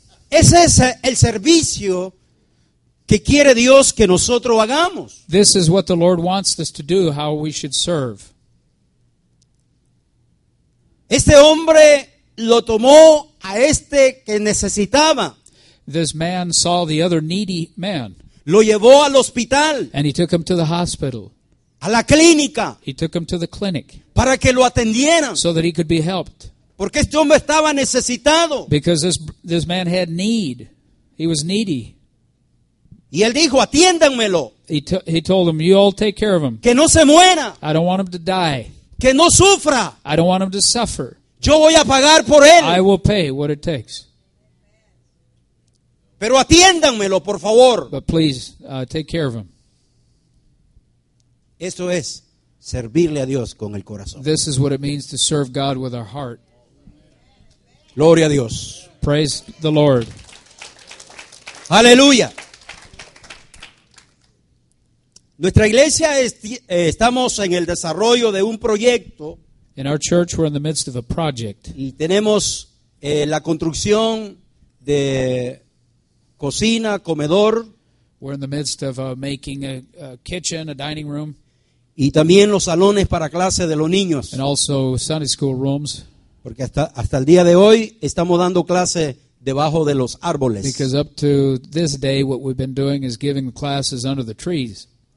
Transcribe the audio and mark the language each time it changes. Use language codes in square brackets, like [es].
[es] Ese es el servicio que quiere Dios que nosotros hagamos. [en] This is what the Lord wants us to do, how we should serve. [es] Este hombre lo tomó a este que necesitaba. [en] This man saw the other needy man. [es] Lo llevó al hospital. [en] And he took him to the hospital. [es] A la clínica. [en] He took him to the clinic. [es] Para que lo atendieran. [en] So that he could be helped. [es] Porque este hombre estaba necesitado. [en] Because this man had need. He was needy. [es] Y él dijo, atiéndanmelo. [en] He told him, you all take care of him. [es] Que no se muera. [en] I don't want him to die. [es] Que no sufra. [en] I don't want him to suffer. [es] Yo voy a pagar por él. [en] I will pay what it takes. [es] Pero atiéndanmelo, por favor. [en] But please, take care of him. [es] Esto es servirle a Dios con el corazón. [en] This is what it means to serve God with our heart. [es] Gloria a Dios. [en] Praise the Lord. [es] Aleluya. Nuestra iglesia estamos en el desarrollo de un proyecto. [en] In our church, we're in the midst of a project. [es] Y tenemos la construcción de cocina, comedor. [en] We're in the midst of making a kitchen, a dining room. [es] Y también los salones para clase de los niños. [en] And also Sunday school rooms. [es] Porque hasta el día de hoy estamos dando clase debajo de los árboles. [en] Because up to this day, what we've been doing is giving classes under the trees.